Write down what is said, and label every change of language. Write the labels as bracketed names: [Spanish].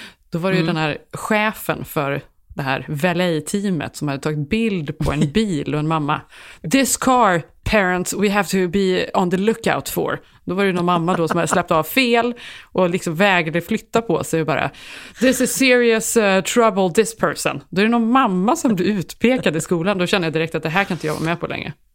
[Swedish] Då var det ju den här chefen för det här valet-teamet som hade tagit bild på en bil och en mamma. [English] This car, parents, we have to be on the lookout for. [Swedish] Då var det någon mamma då som hade släppt av fel och liksom vägrade flytta på sig och bara, [English] this is serious trouble, this person. [Swedish] Då är det någon mamma som du utpekade i skolan. Då känner jag direkt att det här kan inte jag vara med på länge.